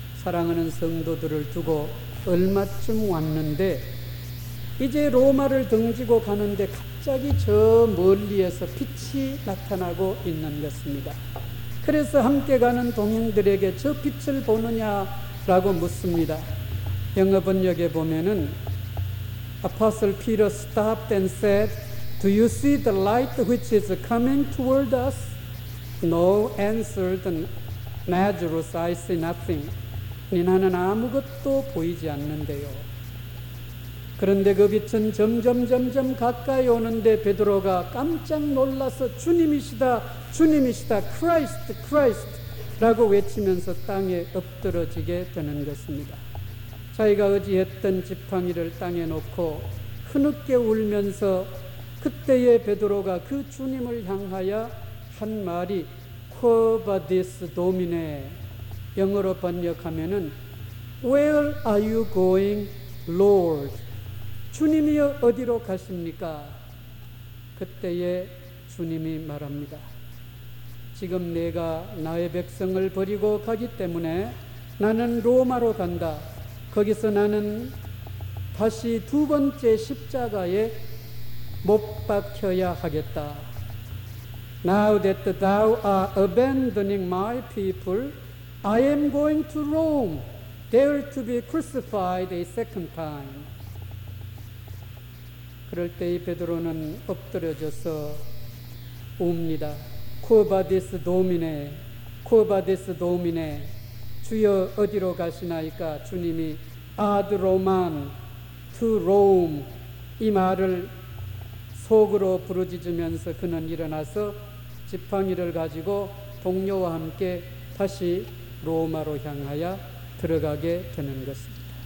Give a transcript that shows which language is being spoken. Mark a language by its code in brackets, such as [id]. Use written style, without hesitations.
[ko] 사랑하는 성도들을 두고 얼마쯤 왔는데, 이제 로마를 등지고 가는데 갑자기 저 멀리에서 빛이 나타나고 있는 것입니다. 그래서 함께 가는 동행들에게 저 빛을 보느냐라고 묻습니다. 영어 번역에 보면은 [en] Apostle Peter stopped and said, Do you see the light which is coming toward us? No, answered Lazarus, I see nothing. [ko] 나는 아무것도 보이지 않는데요. 그런데 그 빛은 점점 가까이 오는데 베드로가 깜짝 놀라서 주님이시다, Christ 라고 외치면서 땅에 엎드러지게 되는 것입니다. 자기가 의지했던 지팡이를 땅에 놓고 흐느껴 울면서 그때의 베드로가 그 주님을 향하여 한 말이 [la] Quo vadis Domine, [ko] 영어로 번역하면은 [en] Where are you going, Lord? [ko] 주님이여 어디로 가십니까? 그때에 주님이 말합니다. 지금 내가 나의 백성을 버리고 가기 때문에 나는 로마로 간다. 거기서 나는 다시 두 번째 십자가에 못 박혀야 하겠다. [en] Now that thou are abandoning my people, I am going to Rome, there to be crucified a second time. [ko] 그럴 때 이 베드로는 엎드려져서 웁니다. [la] Quo vadis Domine, Quo vadis Domine, [ko] 주여 어디로 가시나이까? 주님이 [la] Ad Roman, [en] to Rome, [ko] 이 말을 속으로 부르짖으면서 그는 일어나서 지팡이를 가지고 동료와 함께 다시 로마로 향하여 들어가게 되는 것입니다.